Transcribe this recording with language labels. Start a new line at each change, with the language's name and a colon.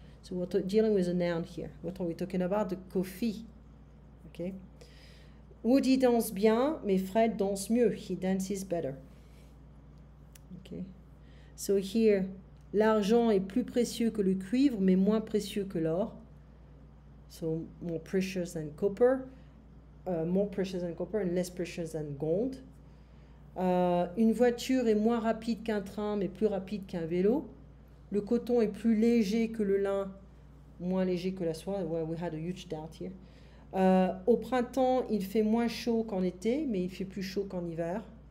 English: So, we're dealing with a noun here. What are we talking about? The coffee. Okay.
French: Woody danse bien, mais Fred danse mieux.
English: He dances better. Okay. So, here,
French: l'argent est plus précieux que le cuivre, mais moins précieux que l'or.
English: So, more precious than copper. More precious than copper and less precious than gold.
French: Une voiture est moins rapide qu'un train, mais plus rapide qu'un vélo. Le coton est plus léger que le lin, moins léger que la soie.
English: Well, we had a huge doubt here.
French: Au printemps, il fait moins chaud qu'en été, mais il fait plus chaud qu'en hiver.